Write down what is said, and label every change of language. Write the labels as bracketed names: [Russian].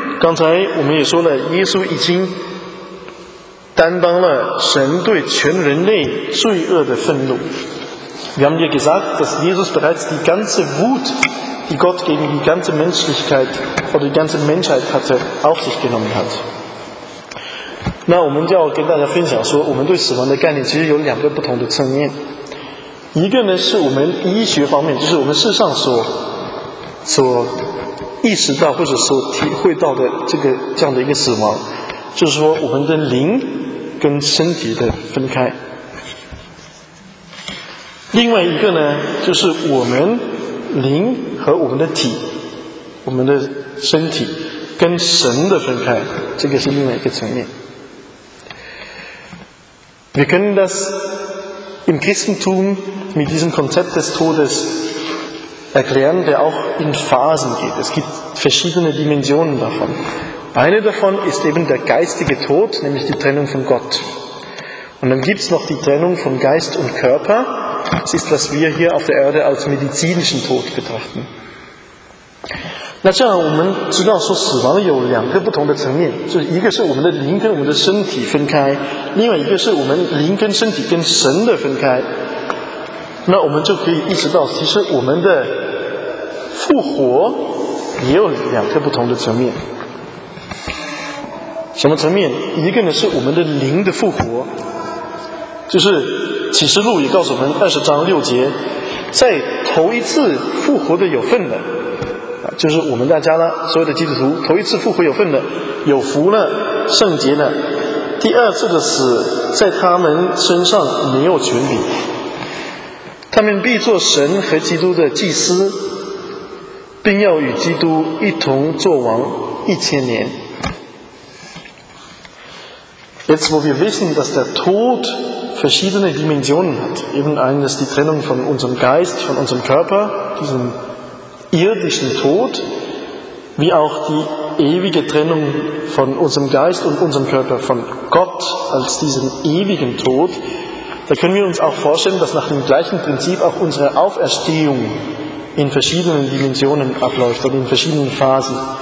[German] Wir haben dir gesagt, dass Jesus bereits die ganze Wut, die Gott gegen die ganze Menschlichkeit oder die ganze Menschheit hatte, auf sich genommen hat. [Chinese] 那我们就要跟大家分享说，我们对死亡的概念其实有两个不同的层面。一个呢，是我们医学方面，就是我们世上所意识到或者所体会到的这样的一个死亡，就是说我们的灵跟身体的分开。另外一个呢，就是我们灵和我们的体，我们的身体跟神的分开，这个是另外一个层面。 [German] Wir können das im Christentum mit diesem Konzept des Todes erklären, der auch in Phasen geht. Es gibt verschiedene Dimensionen davon. Eine davon ist eben der geistige Tod, nämlich die Trennung von Gott. Und dann gibt es noch die Trennung von Geist und Körper. Das ist, was wir hier auf der Erde als medizinischen Tod betrachten. [Chinese] 那这样我们知道说死亡有两个不同的层面，就是一个是我们的灵跟我们的身体分开，另外一个是我们灵跟身体跟神的分开。那我们就可以意识到，其实我们的复活也有两个不同的层面。什么层面？一个呢是我们的灵的复活，就是启示录也告诉我们20:6，在头一次复活的有份的，就是我们大家呢，所有的基督徒头一次复活有份的，有福了，圣洁了。第二次的死在他们身上没有权柄，他们必做神和基督的祭司，并要与基督一同作王1000年。 [German] Jetzt wo wir wissen, dass der Tod verschiedene Dimensionen hat, eben eines die Trennung von unserem Geist, von unserem Körper, diesemirdischen Tod, wie auch die ewige Trennung von unserem Geist und unserem Körper von Gott als diesem ewigen Tod, da können wir uns auch vorstellen, dass nach dem gleichen Prinzip auch unsere Auferstehung in verschiedenen Dimensionen abläuft und in verschiedenen Phasen.